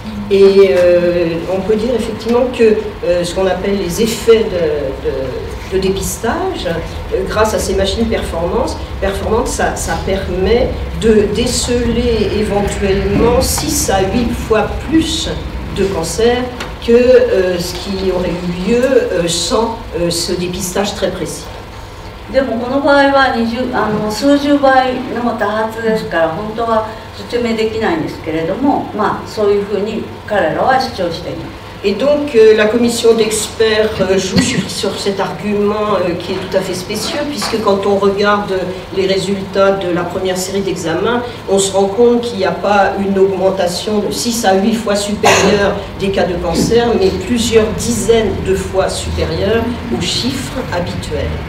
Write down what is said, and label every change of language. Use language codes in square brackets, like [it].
[fr] Et on peut dire effectivement que ce qu'on appelle les effets de dépistage, grâce à ces machines performantes, ça permet de déceler éventuellement 6 à 8 fois plus de cancers que ce qui aurait eu lieu sans ce dépistage très précis. [ja] でもこの場合は数十倍の多発ですから、本当は説明できないんですけれども、まあ、そういうふうに彼らは主張しています。 [fr] Et donc, la commission d'experts joue sur cet argument qui est tout à fait spécieux, puisque quand on regarde les résultats de la première série d'examens, on se rend compte qu'il n'y a pas une augmentation de 6 à 8 fois supérieure des cas de cancer, mais plusieurs dizaines de fois supérieure aux chiffres habituels.